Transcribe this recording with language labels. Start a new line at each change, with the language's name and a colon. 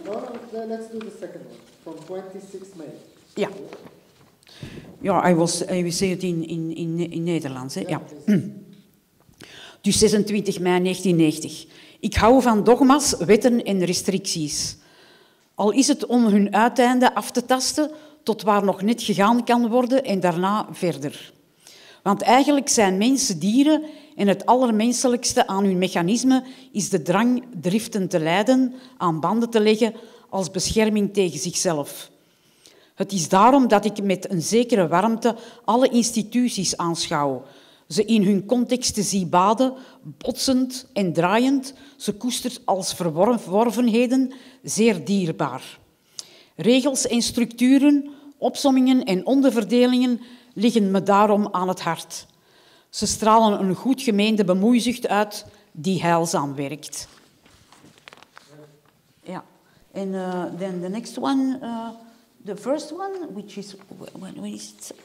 English: No, let's do the second one from 26 May. Yeah.
Dutch: Ja, hij zei het in Nederlands. Hè? Ja. Dus 26 mei 1990. Ik hou van dogma's, wetten en restricties. Al is het om hun uiteinde af te tasten tot waar nog net gegaan kan worden en daarna verder. Want eigenlijk zijn mensen dieren en het allermenselijkste aan hun mechanismen is de drang driften te leiden, aan banden te leggen als bescherming tegen zichzelf. Het is daarom dat ik met een zekere warmte alle instituties aanschouw. Ze in hun contexten zie baden, botsend en draaiend. Ze koestert als verworvenheden zeer dierbaar. Regels en structuren, opsommingen en onderverdelingen liggen me daarom aan het hart. Ze stralen een goed gemeende bemoeizucht uit die heilzaam werkt. Ja, en dan de
English: next one... The first one, which is when is it?